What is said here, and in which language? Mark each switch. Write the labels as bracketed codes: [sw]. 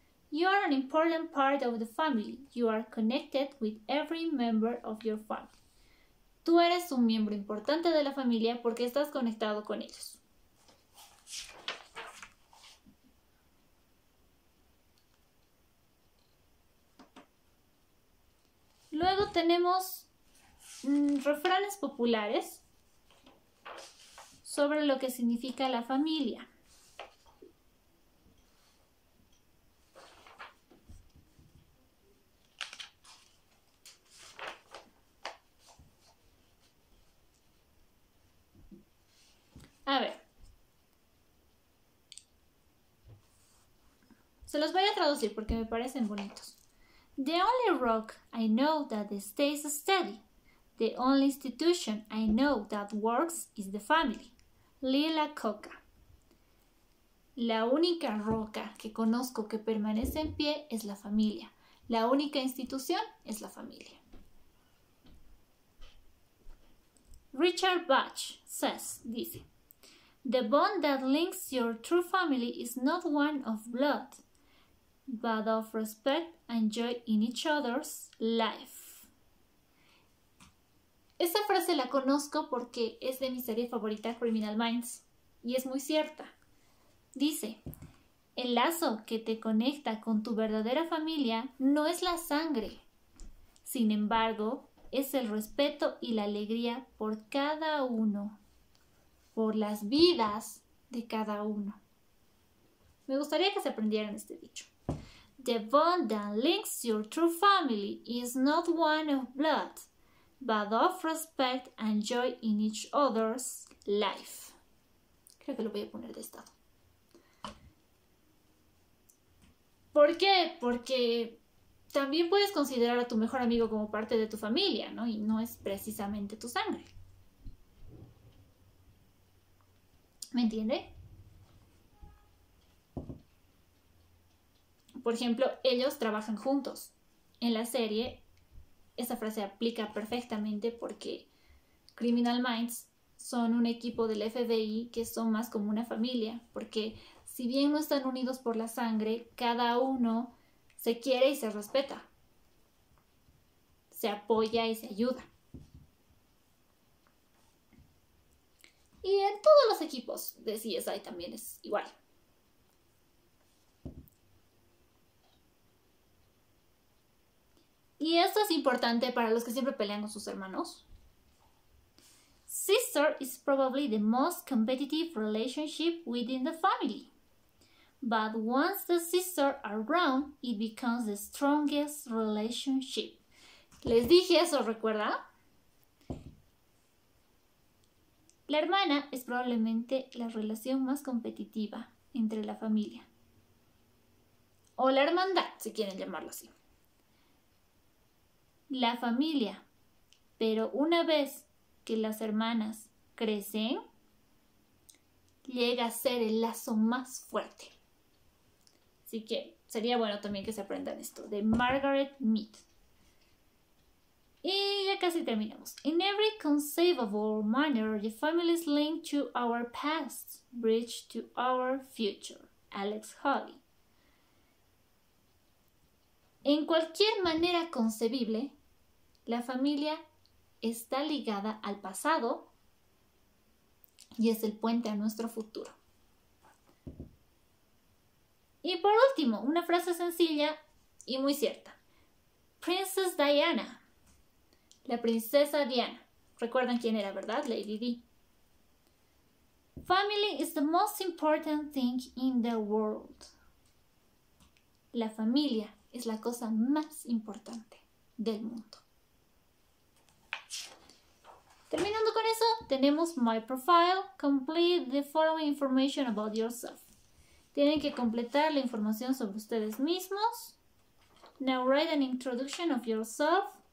[en] You are an important part of the family. You are connected with every member of your family. [es] Tú eres un miembro importante de la familia porque estás conectado con ellos. Luego tenemos refranes populares sobre lo que significa la familia. A ver, se los voy a traducir porque me parecen bonitos. [en] The only rock I know that stays steady. The only institution I know that works is the family. Lila Coca. [es] La única roca que conozco que permanece en pie es la familia. La única institución es la familia. [en] Richard Bach says, [es] dice, [en] the bond that links your true family is not one of blood, but of respect and joy in each other's life. [es] Esa frase la conozco porque es de mi serie favorita Criminal Minds y es muy cierta. Dice, el lazo que te conecta con tu verdadera familia no es la sangre. Sin embargo, es el respeto y la alegría por cada uno. Por las vidas de cada uno. Me gustaría que se aprendieran este dicho. [en] The bond that links your true family is not one of blood, but of respect and joy in each other's life. [es] Creo que lo voy a poner de estado. ¿Por qué? Porque también puedes considerar a tu mejor amigo como parte de tu familia, ¿no? Y no es precisamente tu sangre. ¿Me entiende? Por ejemplo, ellos trabajan juntos. En la serie, esa frase aplica perfectamente porque Criminal Minds son un equipo del FBI que son más como una familia. Porque si bien no están unidos por la sangre, cada uno se quiere y se respeta. Se apoya y se ayuda. Y en todos los equipos de CSI también es igual. Y esto es importante para los que siempre pelean con sus hermanos. [en] Sister is probably the most competitive relationship within the family. But once the sister around, it becomes the strongest relationship. [es] Les dije eso, ¿recuerda? La hermana es probablemente la relación más competitiva entre la familia. O la hermandad, si quieren llamarlo así. La familia. Pero una vez que las hermanas crecen, llega a ser el lazo más fuerte. Así que sería bueno también que se aprendan esto. De Margaret Mead. Y ya casi terminamos. [en] In every conceivable manner, the family is linked to our past, bridge to our future. Alex Holly. [es] En cualquier manera concebible, la familia está ligada al pasado y es el puente a nuestro futuro. Y por último, una frase sencilla y muy cierta. Princess Diana. La princesa Diana. ¿Recuerdan quién era, verdad? Lady Di. [en] Family is the most important thing in the world. [es] La familia es la cosa más importante del mundo. Terminando con eso, tenemos [en] My Profile. Complete the following information about yourself. [es] Tienen que completar la información sobre ustedes mismos. [en] Now write an introduction of yourself.